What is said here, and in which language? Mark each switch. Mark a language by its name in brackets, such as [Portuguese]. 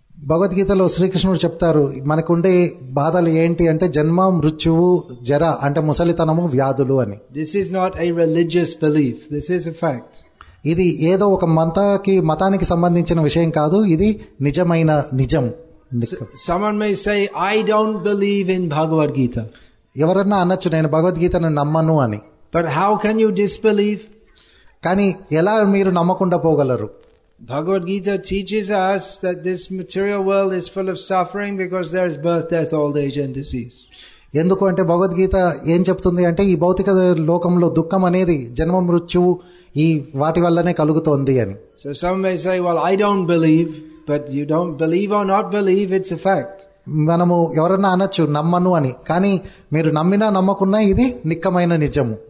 [Telugu] భగవద్గీతలో శ్రీకృష్ణుడు చెప్తారు మనకుండే బాధలు ఏంటి అంటే జన్మ మృత్యువు జర అంటే ముసలితనము వ్యాధులు అని. [English] This is not a religious belief, this is a fact. [Telugu] ఇది ఏదో ఒక మతానికి సంబంధించిన విషయం కాదు, ఇది నిజమైన నిజం. [English] Someone may say, I don't believe in Bhagavad Gita. [Telugu] ఎవరన్నా అనొచ్చు నేను భగవద్గీతను నమ్మను అని. [English] But how can you disbelieve? [Telugu] కానీ ఎలా మీరు నమ్మకుండా పోగలరు? [English] Bhagavad Gita teaches us that this material world is full of suffering because there is birth, death, old age and disease. [Telugu] ఎందుకు అంటే భగవద్గీత ఏం చెప్తుంది అంటే ఈ భౌతిక లోకంలో దుఃఖం అనేది జన్మ మృత్యువు ఈ వాటి వల్లనే కలుగుతోంది అని. [English] So some may say well I don't believe, but you don't believe or not believe it's a fact. [Telugu] మనము ఎవరన్నా అనొచ్చు నమ్మను అని, కానీ మీరు నమ్మినా నమ్మకున్నా ఇది నిక్కమైన నిజము.